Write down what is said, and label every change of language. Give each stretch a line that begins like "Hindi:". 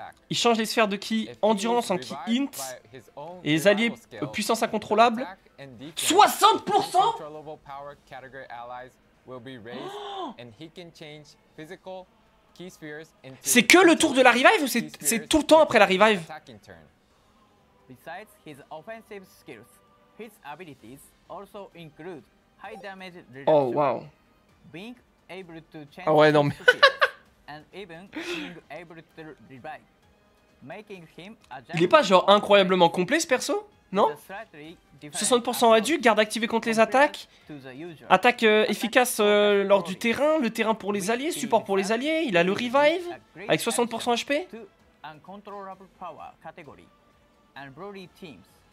French: Il change les sphères de ki endurance en ki int et les alliés puissance incontrôlable. 60%. C'est que le tour de la revive ou c'est tout le temps après la revive?
English: Besides his offensive skills, his abilities also include high damage reduction. Oh wow. Being able to
French: change. Ah ouais, non mais.
English: And even being able to revive, making him a jungler.
French: Il est pas genre incroyablement complet ce perso? Non? 60% réduit, garde activée contre les attaques. Attaque efficace lors du terrain, le terrain pour les alliés, support pour les alliés, il a le revive avec 60% HP.
English: Uncontrollable power category. And Broly teams.